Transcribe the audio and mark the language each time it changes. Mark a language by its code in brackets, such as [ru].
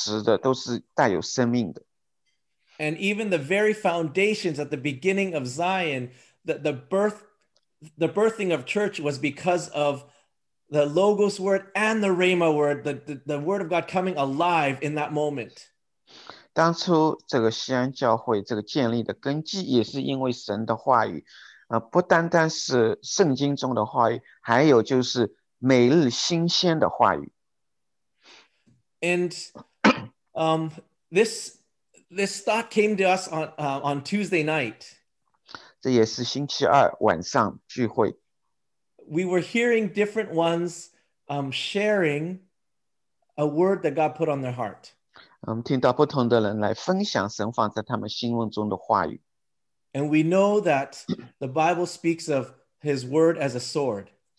[zh] 当他们在讲神话语的时候，在他们的生命中都是真实的，都是带有生命的。 [en] And even the very foundations at the beginning of Zion, the birthing of church was because of the Logos word and the Rhema word, the word of God coming alive in that moment. [zh] 当初这个西安教会这个建立的根基也是因为神的话语，不单单是圣经中的话语，还有就是每日新鲜的话语。And [en] this thought came to us on Tuesday night. [zh] 这也是星期二晚上聚会。We [en] were hearing different ones sharing a word that God put on their heart. [zh] 我们听到不同的人来分享神放在他们心中的话语。And [en] we know that the Bible speaks of his word as a sword.